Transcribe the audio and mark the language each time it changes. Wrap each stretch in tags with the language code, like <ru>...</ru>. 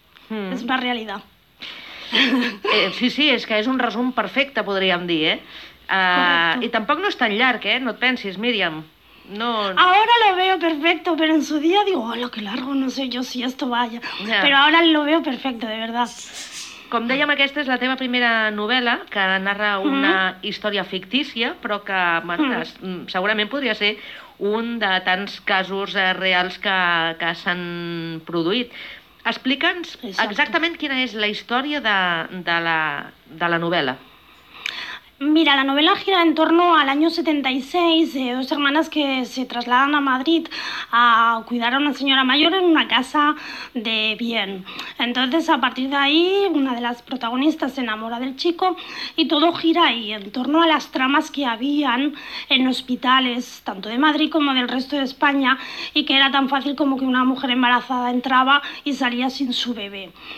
<ca>És una realitat. Sí, sí, és que és un resum perfecte, podríem dir, I tampoc no és tan llarg, no et pensis, Míriam. No.</ca> <es>Ahora lo veo perfecto, pero en su día digo, hola, qué largo, no sé yo si esto vaya. Ja. Pero ahora lo veo perfecto, de verdad.</es> <ca>Com dèiem, aquesta és la teva primera novel·la, que narra una història fictícia, però que segurament podria ser un de tants casos reals que s'han produït. Explica'ns exactament quina és la història de la novel·la.</ca> <es>Mira, la novel·la gira en torno al año 76, dos hermanas que se trasladan a Madrid a cuidar a una señora mayor en una casa de bien. Entonces, a partir de ahí, una de las protagonistas se enamora del chico y todo gira ahí, en torno a las tramas que habían en hospitales, tanto de Madrid como del resto de España, y que era tan fácil como que una mujer embarazada entraba y salía sin su bebé.</es>